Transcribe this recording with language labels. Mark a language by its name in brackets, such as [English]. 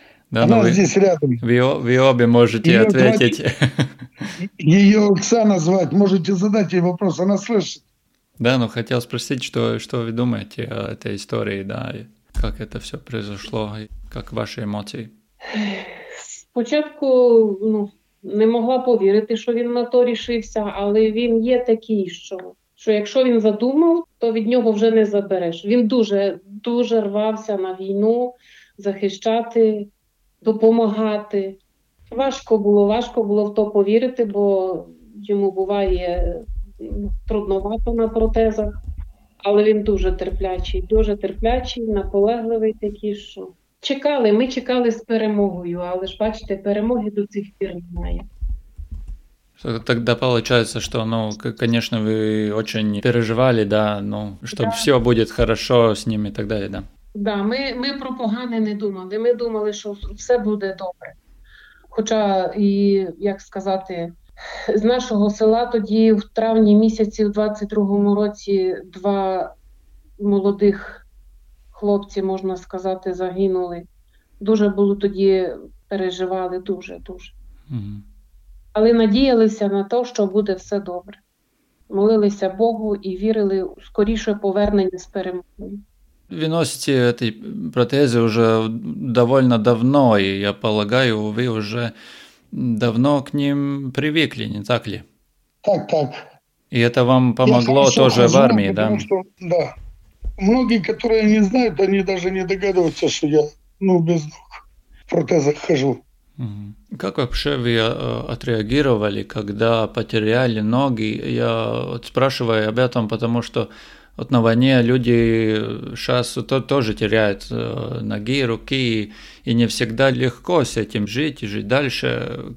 [Russian] Да, она здесь рядом. Вы обе можете её ответить. Ее Оксана звать, можете задать ей вопрос, она слышит. Да, ну хотел спросить, что вы думаете о этой истории, да, и как это все произошло, и как ваши эмоции? [Ukrainian] Спочатку, ну, не могла повірити, що він на то рішився, але він є такий, що якщо він задумав, то від нього вже не забереш. Він дуже рвався на війну, захищати, допомагати. Важко було в то повірити, бо йому буває трудновато на протезах, але він дуже терплячий, наполегливий такий, що... Чекали, ми чекали з перемогою, але ж бачите, перемоги до цих пір немає. [Russian] Тогда получается, что, ну, конечно, вы очень переживали, да, ну, чтобы да. Все будет хорошо с ними и так далее, да? [Ukrainian] Да, ми про погане не думали, ми думали, що все буде добре. Хоча, і, як сказати, з нашого села тоді в травні місяці в 22-му році два молодих хлопці, можна сказати, загинули. Дуже було тоді, переживали, дуже. Але надіялися на те, що буде все добре. Молилися Богу і вірили у скоріше повернення з перемогою. Ви носите ці протези вже доволі давно, і я полагаю, ви вже давно [Russian] к ним привикли, не так ли? [Ukrainian] Так. І це вам помогло теж в армії, да? Так. [Russian] Многие, которые не знают, они даже не догадываются, что я, ну, без ног, в протезах хожу. Как вообще вы отреагировали, когда потеряли ноги? Я вот спрашиваю об этом, потому что вот на войне люди сейчас тоже теряют ноги, руки, и не всегда легко с этим жить и жить дальше.